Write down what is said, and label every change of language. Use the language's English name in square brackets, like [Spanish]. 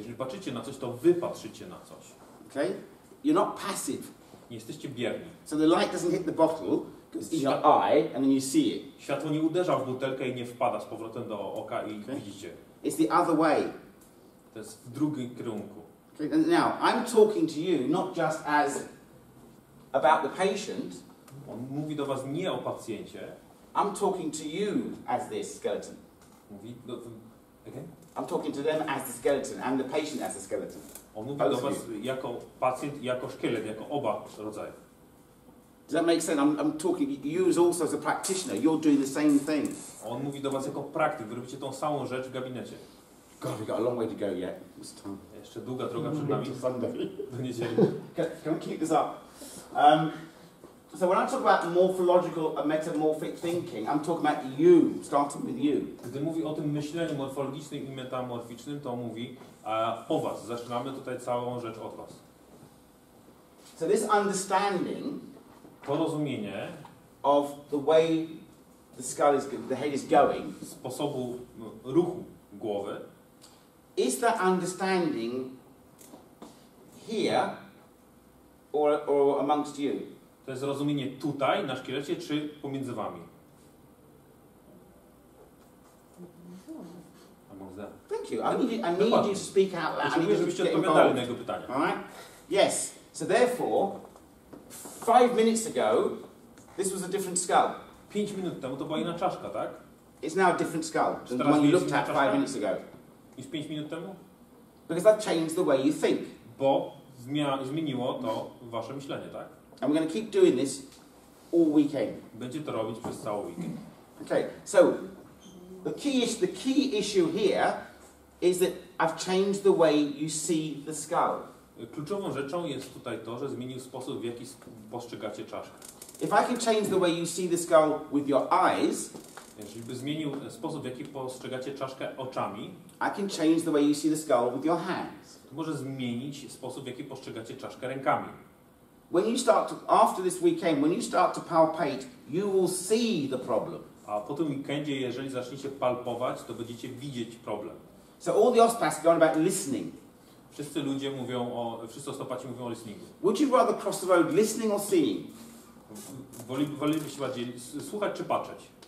[Polish] Jeżeli patrzycie na coś, to wy patrzycie na coś. [English] Okay? You're not passive. [Polish] Nie jesteście bierni. [English] So the light doesn't hit the bottle, goes in your eye, and then you see it. [Polish] Światło nie uderza w butelkę i nie wpada z powrotem do oka i widzicie. [English] It's the other way. [Polish] To jest w drugim kierunku. [English] Okay? And now, I'm talking to you not just as about the patient. [Polish] On mówi do was nie o pacjencie. [English] I'm talking to you as this skeleton. Okay. I'm talking to them as the skeleton and the patient as the skeleton. [Polish] On mówi do was jako pacjent, jako szkielet, jako oba rodzaje. [English] Does that make sense? I'm talking to you also as a practitioner. You're doing the same thing. [Polish] On mówi do was jako praktyk. Wy robicie tą samą rzecz w gabinecie. [English] God, we've got a long way to go yet. It's time. [Polish] Jeszcze długa droga przed nami. Do niedzieli. [English] Can we keep this up? So when I talk about morphological and metamorphic thinking, I'm talking about you, starting with you. [Polish] Gdy mówi o tym myśleniu morfologicznym i metamorficznym, to mówi o was. Zaczynamy tutaj całą rzecz od was. [English] So this understanding, [Polish] porozumienie [English] of the way the skull is, the head is going, [Polish] sposobu ruchu głowy, [English] is that understanding here or amongst you? [Polish] To jest zrozumienie tutaj, na szkielecie, czy pomiędzy wami? [English] Thank you. I need you to speak out loud. [Polish] Potrzebuję, żebyście odpowiadali na jego pytanie. [English] Alright? Yes. So therefore, 5 minutes ago, this was a different skull. [Polish] 5 minut temu to była inna czaszka, tak? [English] It's now a different skull than when you looked at 5 minutes ago. [Polish] Niż 5 minut temu? [English] Because that changed the way you think. [Polish] Bo zmieniło to wasze myślenie, tak? [English] And we're going to keep doing this all weekend. [Polish] Będzie to robić przez cały weekend. [English] Okay, so the key issue here is that I've changed the way you see the skull. [Polish] Kluczową rzeczą jest tutaj to, że zmienił sposób, w jaki postrzegacie czaszkę. [English] If I can change the way you see the skull with your eyes, [Polish] jeżeli by zmienił sposób, w jaki postrzegacie czaszkę oczami, [English] I can change the way you see the skull with your hands. [Polish] To może zmienić sposób, w jaki postrzegacie czaszkę rękami. [English] When you start to, after this weekend, when you start to palpate, you will see the problem. [Polish] A po tym weekendzie, jeżeli zaczniecie palpować, to będziecie widzieć problem. [English] So all the osteopaths go on about listening. [Polish] Wszyscy ludzie mówią o, wszyscy osteopaci mówią o listeningu. [English] Would you rather cross the road listening or seeing? [Polish] Wolibyście bardziej słuchać czy patrzeć?